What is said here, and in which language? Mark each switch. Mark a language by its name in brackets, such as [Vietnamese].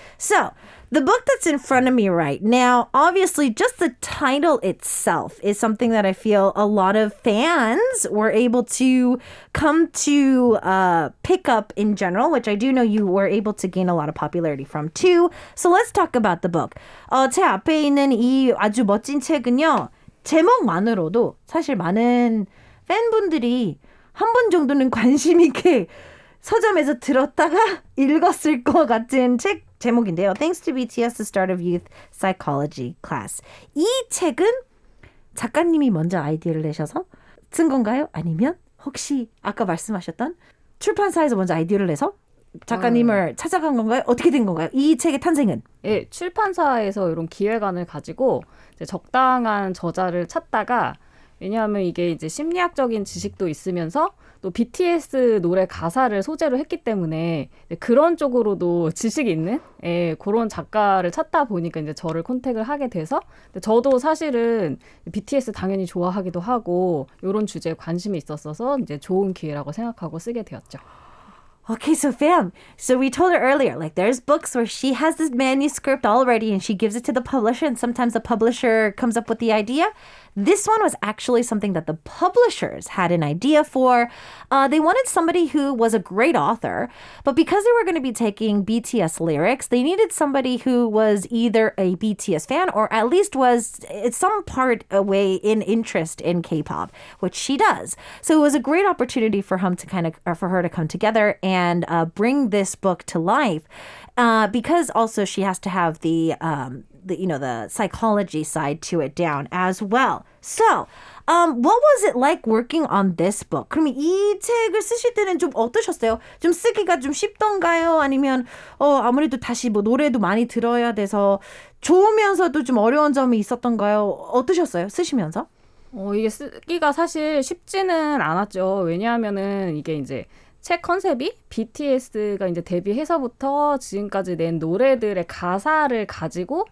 [English] So the book that's in front of me right now, obviously just the title itself is something that I feel a lot of fans were able to come to pick up in general, which I do know you were able to gain a lot of popularity from too. So let's talk about the book. [Korean] 제 앞에 있는 이 아주 멋진 책은요, 제목만으로도 사실 많은 팬분들이 한 번 정도는 관심 있게 서점에서 들었다가 읽었을 것 같은 책 제목인데요. [English] Thanks to BTS, the start of youth psychology class. [Korean] 이 책은 작가님이 먼저 아이디어를 내셔서 쓴 건가요? 아니면 혹시 아까 말씀하셨던 출판사에서 먼저 아이디어를 내서 작가님을 찾아간 건가요? 어떻게 된 건가요? 이 책의 탄생은? 예, 출판사에서 이런 기획안을 가지고 이제 적당한 저자를 찾다가 왜냐하면 이게 이제 심리학적인 지식도 있으면서 또 BTS 노래 가사를 소재로 했기 때문에 그런 쪽으로도 지식이 있는 예, 그런 작가를 찾다 보니까 이제 저를 컨택을 하게 돼서 저도 사실은 BTS 당연히 좋아하기도 하고 이런 주제에 관심이 있었어서 이제 좋은 기회라고 생각하고 쓰게 되었죠. [English] Okay, so fam, so we told her earlier, like there's books where she has this manuscript already and she gives it to the publisher and sometimes the publisher comes up with the idea. This one was actually something that the publishers had an idea for. They wanted somebody who was a great author, but because they were going to be taking BTS lyrics, they needed somebody who was either a BTS fan or at least was at some part away in interest in K-pop, which she does. So it was a great opportunity for him to kind of, or for her to come together and bring this book to life. Because also she has to have the psychology side to it down as well. So, what was it like working on this book? [Korean] 그럼 이 책을 쓰실 때는 좀 어떠셨어요? 좀 쓰기가 좀 쉽던가요? 아니면 아무래도 다시 뭐 노래도 많이 들어야 돼서 좋으면서도 좀 어려운 점이 있었던가요? 어떠셨어요? 쓰시면서? 이게 쓰기가 사실 쉽지는 않았죠. 왜냐하면은 이게 이제 책 컨셉이 BTS가 이제 데뷔해서부터 지금까지 낸 노래들의 가사를 가지고